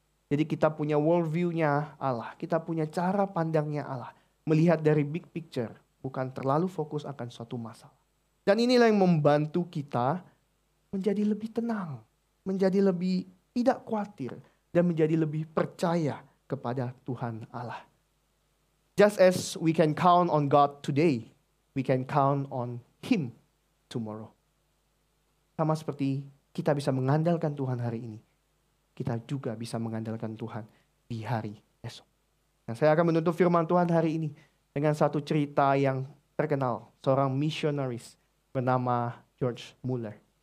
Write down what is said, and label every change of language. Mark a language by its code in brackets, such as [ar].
[id] Jadi kita punya worldview-nya Allah. Kita punya cara pandangnya Allah. Melihat dari big picture, bukan terlalu fokus akan suatu masalah. Dan inilah yang membantu kita menjadi lebih tenang. Menjadi lebih tidak khawatir. Dan menjadi lebih percaya kepada Tuhan Allah. [en] Just as we can count on God today, we can count on Him tomorrow. [id] Sama seperti kita bisa mengandalkan Tuhan hari ini, kita juga bisa mengandalkan Tuhan di hari esok. Nah, saya akan menutup firman Tuhan hari ini dengan satu cerita yang terkenal, seorang missionaries bernama George Mueller.